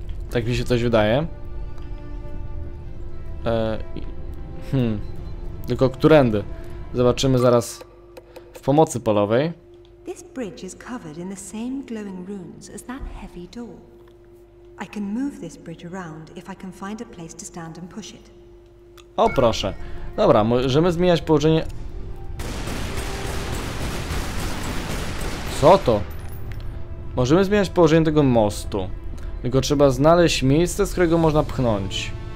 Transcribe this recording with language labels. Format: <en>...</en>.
<pl>Tak mi się coś wydaje. Tylko którędy? Zobaczymy zaraz w pomocy polowej.</pl> <en>This bridge is covered in the same glowing runes as that heavy door. I can move this bridge around if I can find a place to stand and push it.</en> <pl>O proszę. Dobra, możemy zmieniać położenie. Co to? Możemy zmieniać położenie tego mostu. Tylko trzeba znaleźć miejsce, z którego można pchnąć.</pl>